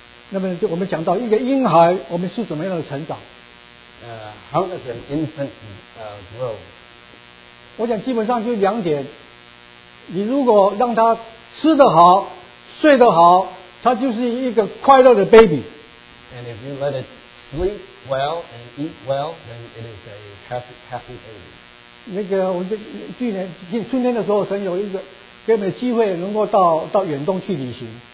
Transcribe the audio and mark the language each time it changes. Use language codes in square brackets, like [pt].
[zh] 那么就我们讲到一个婴孩，我们是怎么样的成长？ [en] How does an infant grow? [zh] 我想基本上就两点，你如果让他吃得好，睡得好，他就是一个快乐的 baby. [en] And if you let it sleep well and eat well, then it is a happy baby. [zh] 那个我们去年的时候，神有一个给我们机会，能够到远东去旅行。